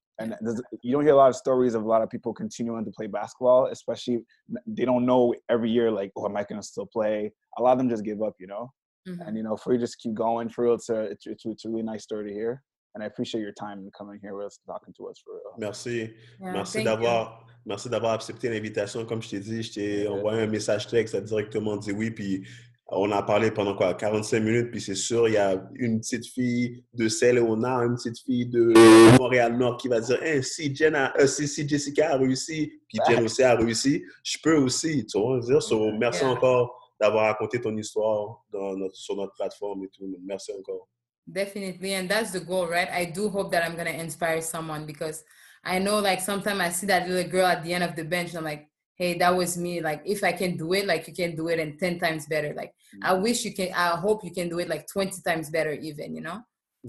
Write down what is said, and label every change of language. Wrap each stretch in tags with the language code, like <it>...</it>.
<en>And you don't hear a lot of stories of a lot of people continuing to play basketball, especially they don't know every year, like, oh, am I going to still play? A lot of them just give up, you know? Mm-hmm. And, you know, for you just keep going, for real, it's a really nice story to hear. And I appreciate your time coming here with us, talking to us, for real.</en> <fr>Merci. Yeah, merci d'avoir accepté l'invitation. Comme je t'ai dit, je t'ai envoyé un message texte, directement dit oui, puis on a parlé pendant quoi, 45 minutes, puis c'est sûr, il y a une petite fille de Saint-Léonard, une petite fille de Montréal-Nord qui va dire hey, « si Jessica a réussi, puis Jen aussi a réussi, je peux aussi. » Tu vois, dire, so, merci encore d'avoir raconté ton histoire sur notre plateforme et tout. Merci encore.</fr> <en>Definitely, and that's the goal, right? I do hope that I'm going to inspire someone because I know, like, sometimes I see that little girl at the end of the bench, and I'm like, hey, that was me. Like, if I can do it, like, you can do it and 10 times better. Like, mm-hmm. I hope you can do it like 20 times better even, you know? Mm-hmm.</en>